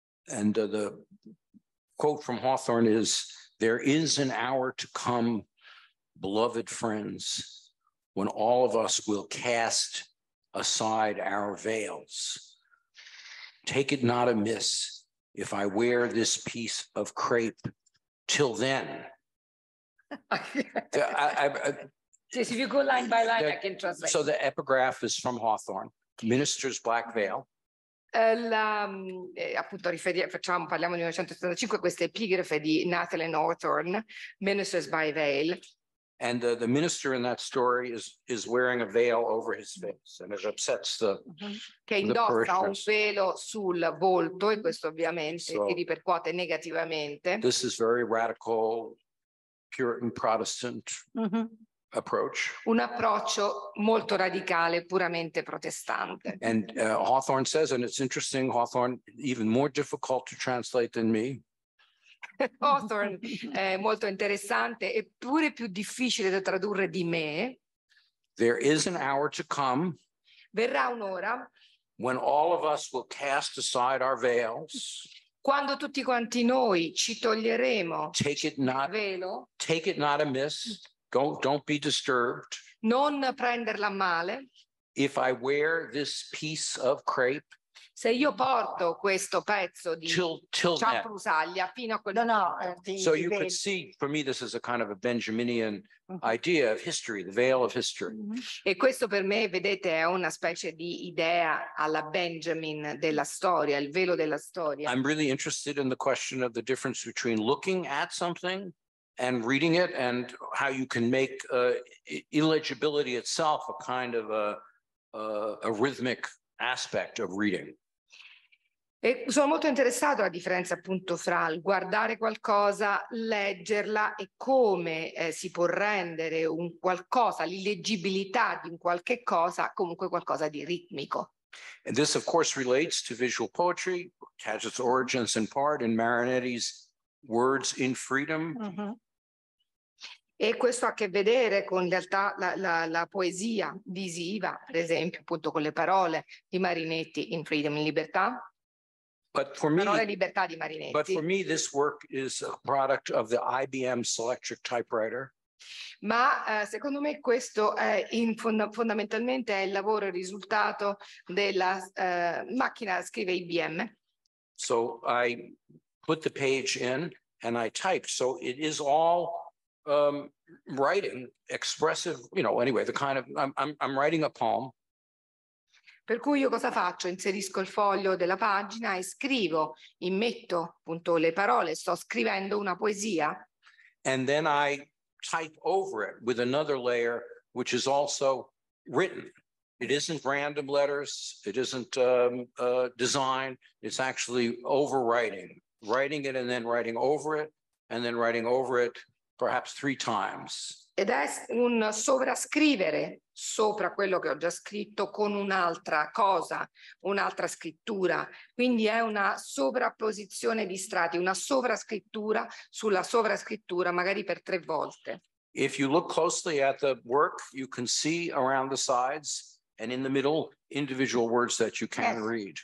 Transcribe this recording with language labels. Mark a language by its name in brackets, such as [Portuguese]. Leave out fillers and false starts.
[English] And the quote from Hawthorne is, "There is an hour to come, beloved friends, when all of us will cast aside our veils. Take it not amiss if I wear this piece of crepe till then." So if you go line by line, I can translate. So the epigraph is from Hawthorne, Minister's Black Veil. [Italian] appunto parliamo di 1975, questa epigrafe di Nathalie Hawthorne, Ministers by Veil. [English] And the minister in that story is wearing a veil over his face, and it upsets the [Italian] che indossa un velo sul volto, e questo ovviamente si ripercuote negativamente. [English] This is very radical Puritan Protestant approach. [Italian] Un approccio molto radicale, puramente protestante. [English] And Hawthorne says, and it's interesting, Hawthorne, even more difficult to translate than me. [Italian] Hawthorne è molto interessante, eppure più difficile da tradurre di me. [English] There is an hour to come. [Italian] Verrà un'ora. [English] When all of us will cast aside our veils. [Italian] Quando tutti quanti noi ci toglieremo il velo. [English] Take it not amiss. Don't be disturbed. [Italian] Non prenderla male. [English] If I wear this piece of crepe. [Italian] Se io porto questo pezzo di ciambrusaglia fino a quel [English] So you could see, for me this is a kind of a Benjaminian idea of history, the veil of history. [Italian] E questo per me, vedete, è una specie di idea alla Benjamin della storia, il velo della storia. [English] I'm really interested in the question of the difference between looking at something and reading it and how you can make illegibility itself a kind of a rhythmic aspect of reading. [Italian] E sono molto interessato alla differenza appunto fra il guardare qualcosa, leggerla e come si può rendere un qualcosa, l'illeggibilità di un qualche cosa, comunque qualcosa di ritmico. [English] And this of course relates to visual poetry, has its origins in part in Marinetti's Words in Freedom. [Italian] E questo ha a che vedere con in realtà la poesia visiva, per esempio, appunto con le parole di Marinetti in Freedom, in Libertà. [English] But for me, [Italian] parole libertà di Marinetti. [English] But for me this work is a product of the IBM Selectric Typewriter. [Italian] Ma secondo me questo è fondamentalmente è il lavoro, il risultato della macchina scrive IBM. [English] So I put the page in and I typed, so it is all writing, expressive, you know, anyway, the kind of, I'm writing a poem. [Italian] Per cui io cosa faccio? Inserisco il foglio della pagina e scrivo, immetto appunto le parole, sto scrivendo una poesia. [English] And then I type over it with another layer, which is also written. It isn't random letters, it isn't design, it's actually overwriting. Writing it and then writing over it, and then writing over it, perhaps three times. [Italian] Ed è un sovrascrivere sopra quello che ho già scritto con un'altra cosa, un'altra scrittura. Quindi è una sovrapposizione di strati, una sovrascrittura sulla sovrascrittura, magari per tre volte. [English] If you look closely at the work, you can see around the sides and in the middle individual words that you can read.